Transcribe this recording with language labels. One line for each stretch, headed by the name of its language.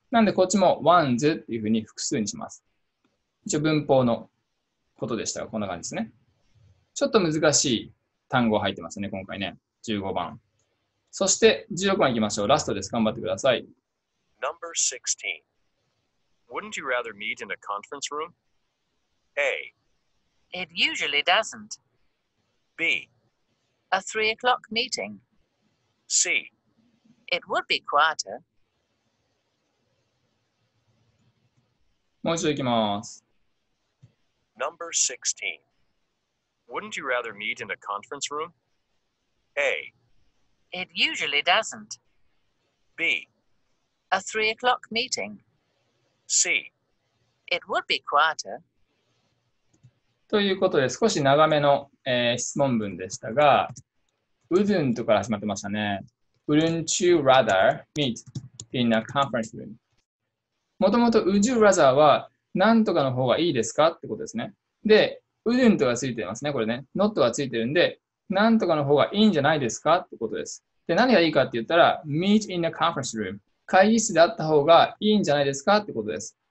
Japanese: なんでこっちも ones っていうふうに複数にします。一応文法のことでしたが、こんな感じですね。ちょっと難しい。単語入ってますね、今回ね。15番。そして16番いきましょう。ラストです。頑張ってください。
English: Number 16. Wouldn't you rather meet in a conference room? A. It usually doesn't. B. A 3 o'clock meeting. C. It would be quieter.
Japanese: もう一度いきます。
English: Number 16. Wouldn't you rather meet in a conference room? A. It usually doesn't. B. A 3 o'clock meeting. C. It would be quieter.
Japanese: ということで、少し長めの、質問文でしたが、wouldn't から始まってましたね。
English: Wouldn't you rather meet in a conference room?
Japanese: もともと、
English: would you rather
Japanese: は何とかの方がいいですかってことですね。で、 wouldn't がついてますね、これね。not がついてるんで、なんとかの方がいいんじゃないですかってことです。で、何がいいかって言ったら、
English: meet in the conference room。
Japanese: 会議室であった方がいいんじゃないですかってことです。